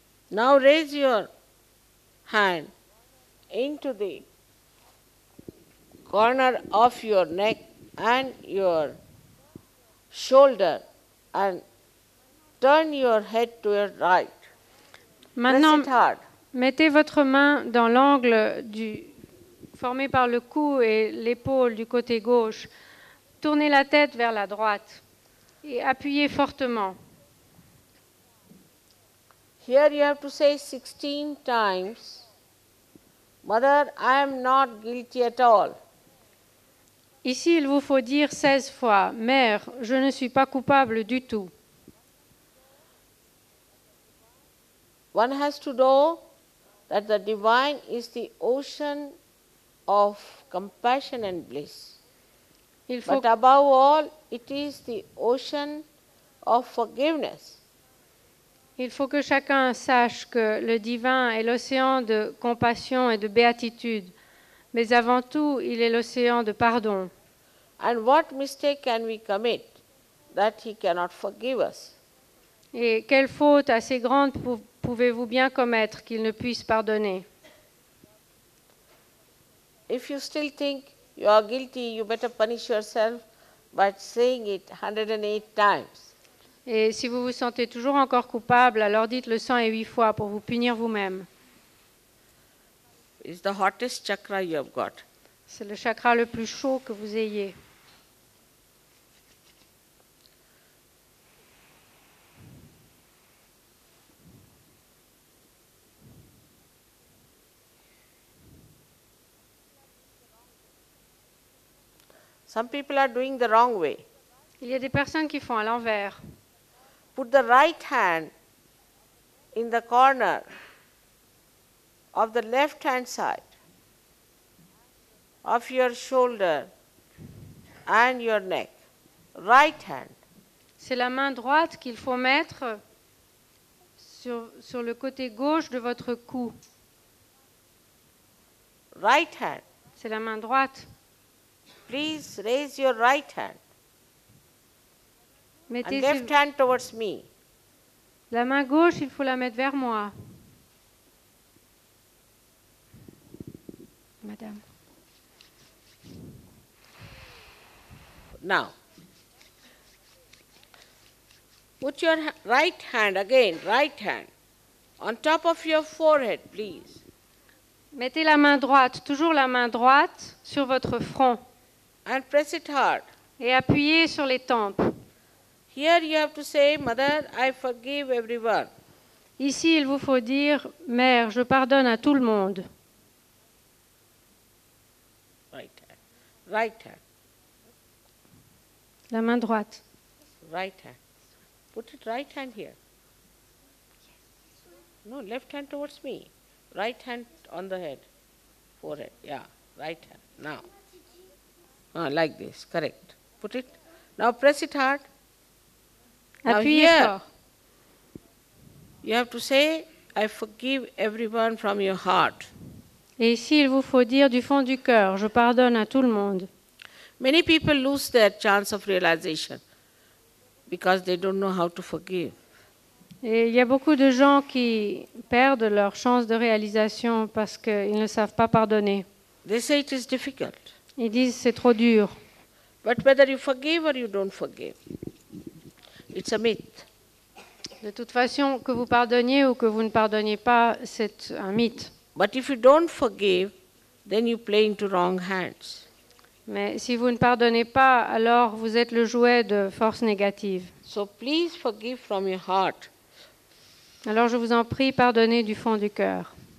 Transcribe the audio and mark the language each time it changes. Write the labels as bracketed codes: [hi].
[en] Now raise your hand into the corner of your neck and your shoulder and turn your head to your right. [fr] Maintenant, [en] press it hard. [fr] Mettez votre main dans l'angle formé par le cou et l'épaule du côté gauche. Tournez la tête vers la droite et appuyez fortement. [en] Here you have to say 16 times, Mother, I am not guilty at all. [fr] Ici, il vous faut dire 16 fois, Mère, je ne suis pas coupable du tout. [en] One has to know that the Divine is the ocean of compassion and bliss. [fr] Il faut [en] But above all, it is the ocean of forgiveness. [fr] Il faut que chacun sache que le divin est l'océan de compassion et de béatitude, mais avant tout, il est l'océan de pardon. [en] And what mistake can we commit that he cannot forgive us? [fr] Et quelle faute assez grande pouvez-vous bien commettre qu'il ne puisse pardonner? [en] If you still think you are guilty, you better punish yourself by saying it 108 times. [fr] Et si vous vous sentez toujours encore coupable, alors dites-le 108 fois pour vous punir vous-même. [en] It's the hottest chakra you have got. [fr] C'est le chakra le plus chaud que vous ayez. [en] Some people are doing the wrong way. [fr] Il y a des personnes qui font à l'envers. [en] Put the right hand in the corner of the left hand side of your shoulder and your neck. Right hand. [fr] C'est la main droite qu'il faut mettre sur le côté gauche de votre cou. [en] Right hand. [fr] C'est la main droite. [en] Please raise your right hand. [fr] Mettez [en] and left hand towards me. [fr] La main gauche, il faut la mettre vers moi. Madame. [en] Now. Put your right hand again, right hand, on top of your forehead, please. [fr] Mettez la main droite, toujours la main droite, sur votre front. [en] And press it hard. [fr] Et appuyez sur les tempes. [en] Here you have to say, Mother, I forgive everyone. [fr] Ici, il vous faut dire, Mère, je pardonne à tout le monde. [en] Right hand. Right hand. [fr] La main droite. [en] Right hand. Put it right hand here. No, left hand towards me. Right hand on the head. Forehead. Yeah. Right hand. Now. Ah, like this. Correct. Put it. Now press it hard. [fr] Appuyez [en] now here. You have to say, I forgive everyone from your heart. [fr] Et ici, il vous faut dire du fond du cœur, je pardonne à tout le monde. [en] Many people lose their chance of realization. Because they don't know how to forgive. [fr] Et il y a beaucoup de gens qui perdent leur chance de réalisation parce qu'ils ne savent pas pardonner. [en] They say it is difficult. [fr] Ils disent c'est trop dur. [en] But whether you forgive or you don't forgive, it's a myth. [fr] De toute façon, que vous pardonniez ou que vous ne pardonniez pas, c'est un mythe. [en] But if you don't forgive, then you play into wrong hands. [fr] Mais si vous ne pardonnez pas, alors vous êtes le jouet de forces négatives. [en] So please forgive from your heart. [fr] Alors je vous en prie, pardonnez du fond du cœur.